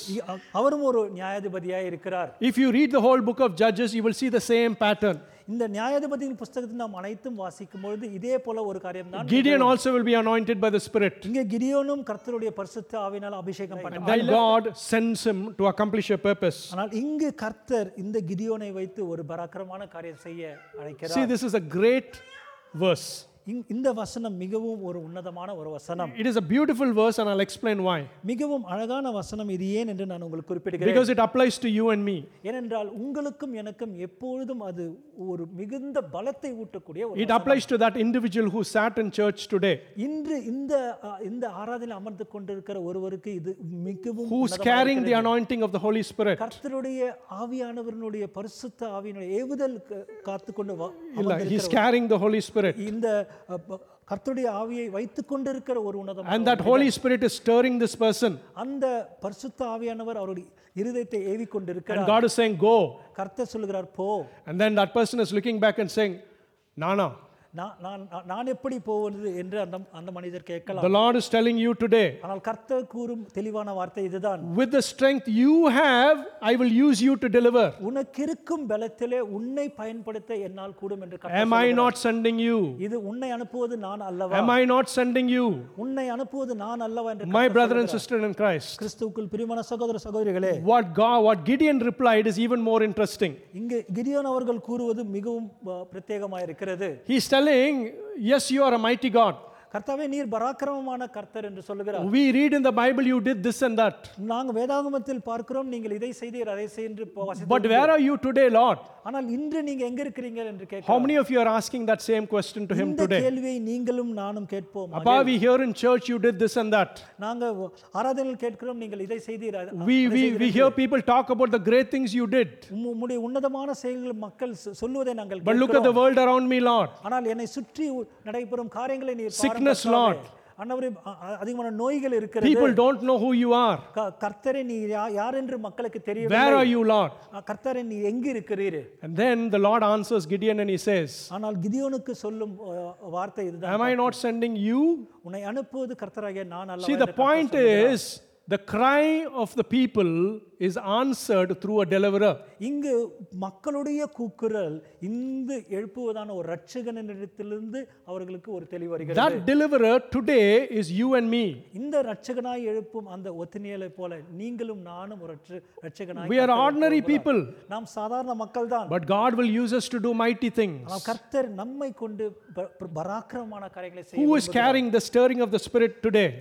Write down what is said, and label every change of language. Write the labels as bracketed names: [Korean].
[English] If you read the whole book of Judges, you will see the same pattern. [Tamil] இந்த நியாயாதிபதியின் புத்தகத்தை நாம் அனைத்தும் வாசிக்கும் பொழுது இதே போல ஒரு காரியம் தான். [English] Gideon also will be anointed by the spirit. [Tamil] இங்கே கிரியோனும் கர்த்தருடைய பரிசுத்த ஆவியினால் அபிஷேகம் பண்ணப்பட்டார். [English] The Lord sends him to accomplish a purpose. [Tamil] ஆனால் இங்கே கர்த்தர் இந்த கிரியோனை வைத்து ஒரு பராக்கிரமமான காரியம் செய்ய அழைக்கிறார். [English] See, this is a great verse. [Tamil] இந்த வசனம் மிகவும் ஒரு உன்னதமான ஒரு வசனம். [English] It is a beautiful verse and I'll explain why. [Tamil] மிகவும் அழகான வசனம் இது, ஏன் என்று நான் உங்களுக்கு குறிப்பிடுகிறேன். [English] Because it applies to you and me. [Tamil] ஏனென்றால் உங்களுக்கும் எனக்கும் எப்பொழுதும் அது ஒரு மிகுந்த பலத்தை ஊட்டக்கூடிய ஒரு வசனம். [English] It applies to that individual who sat in church today. [Tamil] இன்று இந்த ஆராதனையில் அமர்ந்து கொண்டிருக்கிற ஒருவருக்கு இது மிகவும் [English] Who's carrying the anointing of the Holy Spirit. [Tamil] கர்த்தருடைய ஆவியானவருடைய பரிசுத்த ஆவியினுடைய ஏவுதல் காத்து கொண்டு அமர்ந்திருக்கிறார். [English] He's carrying the Holy Spirit. [Tamil] இந்த கர்த்தருடைய ஆவியை வைத்துக் கொண்டிருக்கிற ஒரு உன்னதம். [English] And that Holy Spirit is stirring this person. [Tamil] அந்த பரிசுத்த ஆவியானவர் அவருடைய இருதயத்தை ஏவி கொண்டிருக்கிறார். [English] And God is saying, go. [Tamil] கர்த்தர் சொல்கிறார், போ. [English] And then that person is looking back and saying, [Tamil] நானா? நான் எப்படி போவது என்று அந்த மனிதர் கேட்கலாம். [English] The Lord is telling you today. [Tamil] ஆனால் கர்த்தர் கூறும் தெளிவான வார்த்தை இதுதான். [English] With the strength you have, I will use you to deliver. [Tamil] உனக்கு இருக்கும் பலத்திலே உன்னை பயன்படுத்த என்னால் கூடும் என்று கர்த்தர் சொல்கிறார். [English] Am I not sending you? [Tamil] இது உன்னை அனுப்புவது நான் அல்லவா? [English] Am I not sending you? [Tamil] உன்னை அனுப்புவது நான் அல்லவா என்று கர்த்தர் சொல்கிறார். [English] My brother and sister in Christ. [Tamil] கிறிஸ்துவுக்குள் பிரியமான சகோதர சகோதரிகளே. [English] What Gideon replied is even more interesting. [Tamil] இங்கு கிதியோன் அவர்கள் கூறுவது மிகவும் பிரத்யேகமாக இருக்கிறது. [English] Telling, yes, you are a mighty God. [Tamil] கர்த்தாவே நீர் பராக்கிரமமான கர்த்தர் என்று சொல்கிறார். [English] We read in the Bible you did this and that. [Tamil] நாங்கள் வேதாகமத்தில் பார்க்கிறோம் நீங்கள் இதை செய்தீர் அதை செய்தீர் என்று வாசித்தோம். [English] But where are you today, Lord? [Tamil] ஆனால் இன்று நீங்கள் எங்கே இருக்கிறீங்க என்று கேட்கிறோம். [English] How many of you are asking that same question to him today? [Tamil] இந்த கேள்வியை நீங்களும் நானும் கேட்போம். [English] Abba, we hear in church you did this and that. [Tamil] நாங்கள் ஆராதனையில் கேட்கிறோம் நீங்கள் இதை செய்தீர் அதை செய்தீர். [English] We hear people talk about the great things you did. [Tamil] உம்முடைய உன்னதமான செயல்களை மக்கள் சொல்வதை நாங்கள் கேட்கிறோம். [English] But look at the world around me, Lord. [Tamil] ஆனால் என்னை சுற்றி நடைபெறும் காரியங்களை நீர் [English] Sickness, Lord. People don't know who you are. [Tamil] கர்த்தரே நீ யார் என்று மக்களுக்கு தெரியவில்லை. [English] Where are you, Lord? [Tamil] கர்த்தரே நீ எங்கு இருக்கிறீர்? [English] And then the Lord answers Gideon and he says, [Tamil] ஆனால் கிதியோனுக்கு சொல்லும் வார்த்தை இதுதான். [English] Am I not sending you? [Tamil] உன்னை அனுப்புவது கர்த்தராகிய நான் அல்லவா? [English] See, the point is, the cry of the people is answered through a deliverer. [Tamil] இங்கு மக்களுடைய கூக்குரல் இந்த எழுப்புவதான ஒரு இரட்சகனின் இடத்திலிருந்து அவர்களுக்கு ஒரு தெளிவு வருகிறது. [English] That deliverer today is you and me. [Tamil] இந்த இரட்சகனாய் எழுப்பும் அந்த ஒத்னியேலை போல நீங்களும் நானும் ஒரு இரட்சகனாய் [English] We are ordinary people. [Tamil] நாம் சாதாரண மக்கள்தான். [English] But God will use us to do mighty things. [Tamil] கர்த்தர் நம்மை கொண்டு பராக்கிரமமான காரியங்களை செய்ய [English] Who is carrying the stirring of the spirit today?